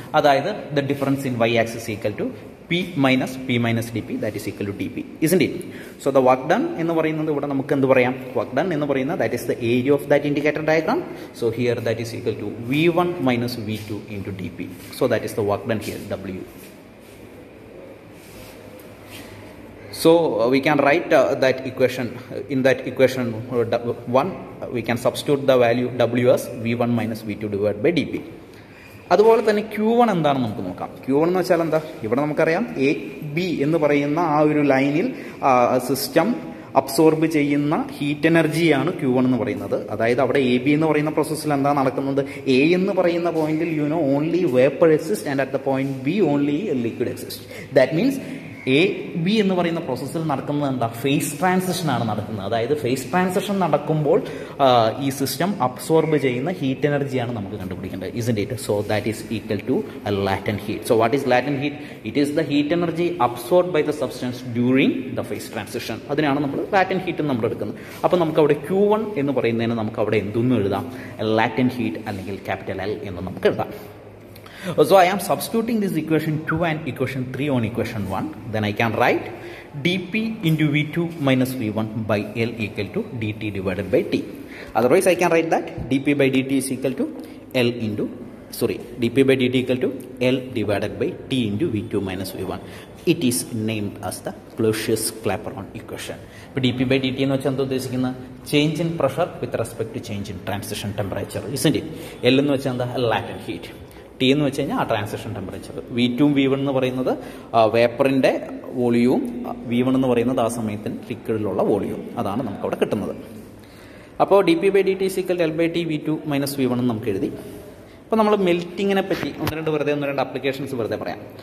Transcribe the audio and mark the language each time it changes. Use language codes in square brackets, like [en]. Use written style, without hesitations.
[ml] അതായത് [en] The difference in y axis equal to p minus d p, that is equal to d p, isn't it. So the work done [ml] എന്ന് പറയുന്നത് ഇവിടെ നമുക്ക് എന്ത് പറയാം, [en] Work done എന്ന് പറയുന്നത് that is the area of that indicator diagram. So here that is equal to v one minus v two into d p. So that is the work done here W. So we can write that equation in that equation 1, we can substitute the value W as V1 minus V2 divided by dP. [ml] അതുപോലെ തന്നെ Q one എന്താണെന്ന് നമുക്ക് നോക്കാം. Q one എന്ന് വെച്ചാൽ എന്താ, ഇവിടെ നമുക്കറിയാം എ ബി എന്ന് പറയുന്ന ആ ഒരു ലൈനിൽ സിസ്റ്റം അബ്സോർബ് ചെയ്യുന്ന ഹീറ്റ് എനർജിയാണ് ക്യു വൺ എന്ന് പറയുന്നത്. അതായത് അവിടെ എ ബി എന്ന് പറയുന്ന പ്രോസസ്സിൽ എന്താ നടക്കുന്നത്, എ എന്ന് പറയുന്ന പോയിന്റിൽ [en] You know only vapour exist and at the point B only liquid exist. That means [ml] A B എന്ന് പറയുന്ന പ്രോസസ്സിൽ നടക്കുന്നത് എന്താ, ഫേസ് ട്രാൻസിഷൻ ആണ് നടക്കുന്നത്. അതായത് ഫേസ് ട്രാൻസിഷൻ നടക്കുമ്പോൾ ഈ സിസ്റ്റം അബ്സോർബ് ചെയ്യുന്ന ഹീറ്റ് എനർജിയാണ് നമുക്ക് കണ്ടുപിടിക്കേണ്ടത്, [en] Isn't it. So that is equal to a latent heat. So what is latent heat? It is the heat energy absorb by the substance during the phase transition, [ml] അതിനാണ് നമ്മൾ latent heat നമ്മൾ എടുക്കുന്നത്. അപ്പോൾ നമുക്ക് അവിടെ ക്യു വൺ എന്ന് പറയുന്നതിന് നമുക്ക് അവിടെ എന്തൊന്നും എഴുതാം, ലാറ്റന്റ് ഹീറ്റ് അല്ലെങ്കിൽ ക്യാപിറ്റൽ എൽ എന്ന് നമുക്ക് എഴുതാം. [en] So I am substituting this equation 2 and equation 3 on equation 1. Then I can write dP into V2 minus V1 by L equal to dT divided by T. Otherwise I can write that dP by dT is equal to L into, sorry, dP by dT equal to L divided by T into V2 minus V1. It is named as the Clausius Clapeyron equation. But dP by dT is what we call change in pressure with respect to change in transition temperature, isn't it? L is what we call latent heat. [ml] T എന്ന് വെച്ച് കഴിഞ്ഞാൽ ആ transition temperature, V two V one എന്ന് പറയുന്നത് വേപ്പറിൻ്റെ വോളിയവും, V one എന്ന് പറയുന്നത് ആ സമയത്തിന് ലിക്വിഡിലുള്ള വോളിയവും, അതാണ് നമുക്കവിടെ കിട്ടുന്നത്. അപ്പോൾ D P by D T സിക്കൽ L by T V two minus V one എന്ന് നമുക്ക് എഴുതി. അപ്പോൾ നമ്മൾ മെൽറ്റിങ്ങിനെ പറ്റി ഒന്ന് രണ്ട് വെറുതെ ഒന്ന് രണ്ട് അപ്ലിക്കേഷൻസ് വെറുതെ പറയാം.